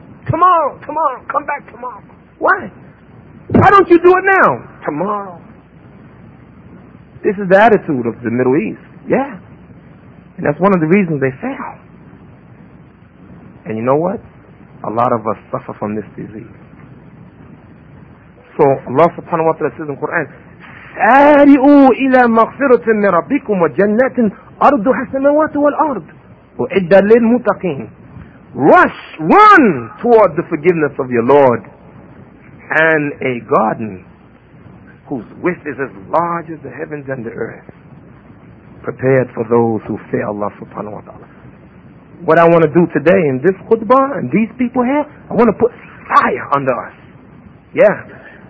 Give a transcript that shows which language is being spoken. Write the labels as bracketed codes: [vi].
[en] Tomorrow, come back tomorrow. Why don't you do it now? Tomorrow. This is the attitude of the Middle East. Yeah. And that's one of the reasons they fail. And you know what? A lot of us suffer from this disease. So Allah subhanahu wa ta'ala says in the Quran, [ar] سَارِئُوا إِلَى مَغْفِرَةٍ مِّن رَبِّكُمْ وَجَنَّةٍ أَرْضُهَا السَّمَاوَاتُ وَالْأَرْضُ وَعِدَّةٌ لِّلْمُتَّقِينَ. [en] Rush, run toward the forgiveness of your Lord and a garden whose width is as large as the heavens and the earth, prepared for those who fear Allah subhanahu wa ta'ala. What I want to do today in this khutbah and these people here, I want to put fire under us. Yeah.